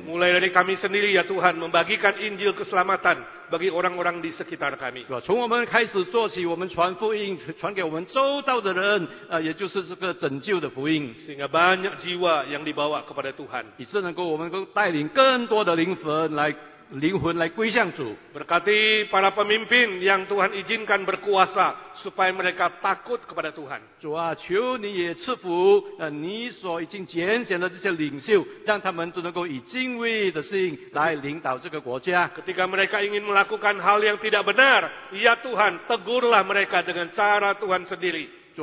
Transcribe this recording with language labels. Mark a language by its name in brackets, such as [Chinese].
[Indonesian] Mulai dari kami sendiri ya Tuhan, membagikan Injil keselamatan bagi orang-orang di sekitar kami. [Chinese] 从我们开始做起，我们传福音，传给我们周遭的人，也就是这个拯救的福音。 [Indonesian] Sehingga banyak jiwa yang dibawa kepada Tuhan. [Chinese] 以致能够我们够带领更多的灵魂来归向主。 [Indonesian] Berkati para pemimpin yang Tuhan izinkan berkuasa supaya mereka takut kepada Tuhan. [Chinese] 主啊，求你也赐福，你所已经拣选的这些领袖，让他们都能够以敬畏的心来领导这个国家。 [Indonesian] Ketika mereka ingin melakukan hal yang tidak benar, ya Tuhan, tegurlah mereka dengan cara Tuhan sendiri.